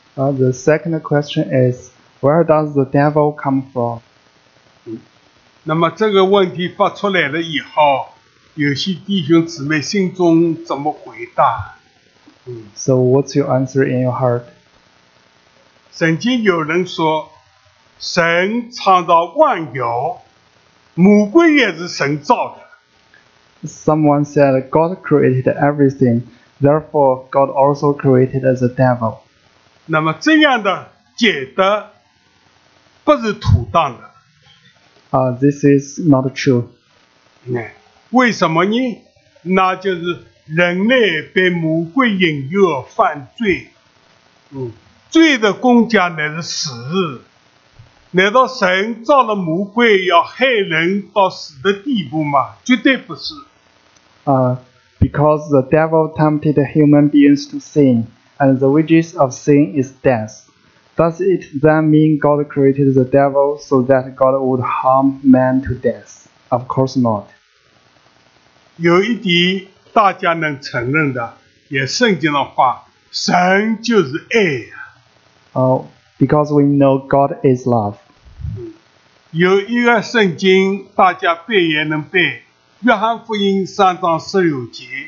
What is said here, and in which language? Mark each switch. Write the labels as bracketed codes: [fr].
[en] The second question is, where does the devil come from? [zh] 那么这个问题发出来了以后，有些弟兄姊妹心中怎么回答？ [en] So what's your answer in your heart? [zh] 圣经有人说，神创造万有，魔鬼也是神造的。 [en] Someone said God created everything, therefore God also created as a devil. [zh] 那么这样的解答不是妥当的。 [en] This is not true. [zh] 为什么呢？那就是人类被魔鬼引诱犯罪。罪的工价乃是死。难道神造了魔鬼要害人到死的地步吗？绝对不是。 [en] Because the devil tempted human beings to sin, and the wages of sin is death. Does it then mean God created the devil so that God would harm man to death? Of course not. [zh] 有一点大家能承认的，也圣经的话，神就是爱。 [en] Because we know God is love. [zh] 有一个圣经大家背也能背，约翰福音三章十六节。